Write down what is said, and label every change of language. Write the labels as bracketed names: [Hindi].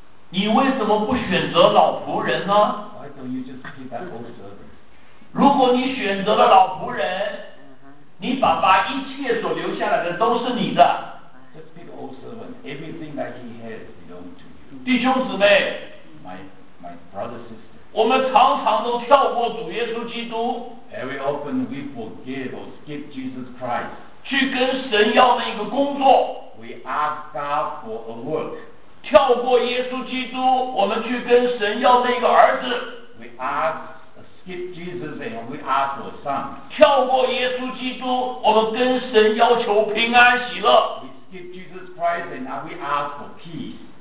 [Chinese] 你为什么不选择老仆人呢？ [English] Why don't you just pick that old servant? [Chinese] 如果你选择了老仆人，你爸爸一切所留下来的都是你的。 [English] Just pick old servant. Everything that he has belongs to you. [Chinese] 弟兄姊妹。 [English] My brother sister. [Chinese] 我们常常都跳过主耶稣基督。 [English] Very often we forget or skip Jesus Christ. [Chinese] 去跟神要那个工作。 [English] We ask God for a work. [Chinese] 跳过耶稣基督，我们去跟神要那个儿子。 [English] We ask, skip Jesus and we ask for a son. [Chinese] 跳过耶稣基督，我们跟神要求平安喜乐。 [English] We skip Jesus Christ and now we ask for peace.